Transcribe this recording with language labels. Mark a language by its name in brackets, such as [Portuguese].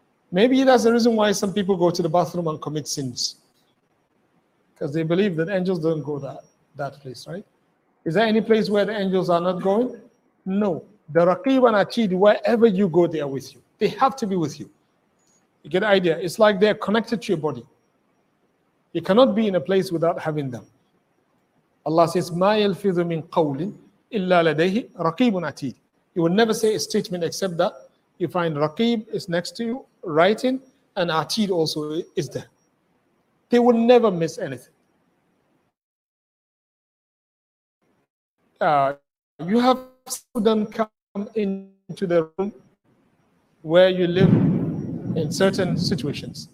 [English] Maybe that's the reason why some people go to the bathroom and commit sins, because they believe that angels don't go that place, right? Is there any place where the angels are not going? No. The Raqib and Atid, wherever you go, they are with you. They have to be with you. You get the idea? It's like they're connected to your body. You cannot be in a place without having them. Allah says, [Arabic] مَا يَلْفِذُ مِنْ قَوْلٍ إِلَّا لَدَيْهِ رَقِيبٌ أَتِيدٌ. [English] You will never say a statement except that you find Raqib is next to you, writing, and Atid also is there. They will never miss anything. You have students come into the room where you live in certain situations.